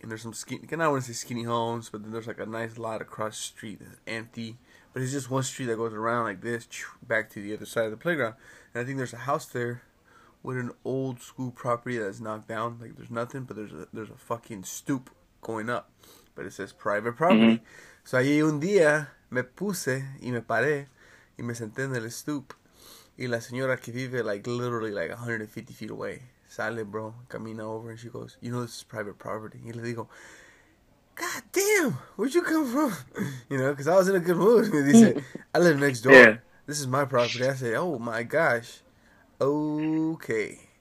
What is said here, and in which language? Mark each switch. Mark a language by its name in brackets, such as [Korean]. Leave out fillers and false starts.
[English] And there's some skinny, and I wouldn't say skinny homes, but then there's like a nice lot across the street that's empty. But it's just one street that goes around like this, back to the other side of the playground. And I think there's a house there with an old school property that's knocked down. Like there's nothing, but there's a fucking stoop going up. But it says private property. [Spanish] So ahí un día me puse y me paré y me senté en el stoop. Y la señora que vive [English] like literally like 150 feet away [Spanish] sale, [English] bro, [Spanish] camina [English] over, and she goes, you know this is private property. [Spanish] Y le digo, [English] God damn, where'd you come from? You know, because I was in a good mood. He said, I live next Yeah. door. This is my property. I said, oh my gosh. Okay.